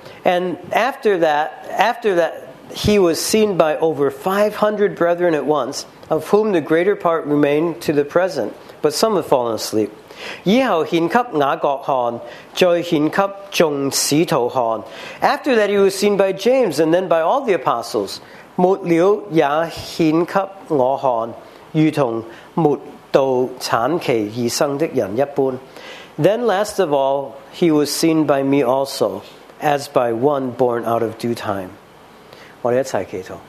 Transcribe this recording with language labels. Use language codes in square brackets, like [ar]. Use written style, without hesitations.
[en] And after that, he was seen by over 500 brethren at once, of whom the greater part remain to the present, but some have fallen asleep. [zh] 以后显给雅各看，再显给众使徒看。 [en] After that, he was seen by James, and then by all the apostles. [zh] 末了也显给我看，如同末到产期而生的人一般。 [en] Then last of all, he was seen by me also, as by one born out of due time. [zh] 我们一起祈祷。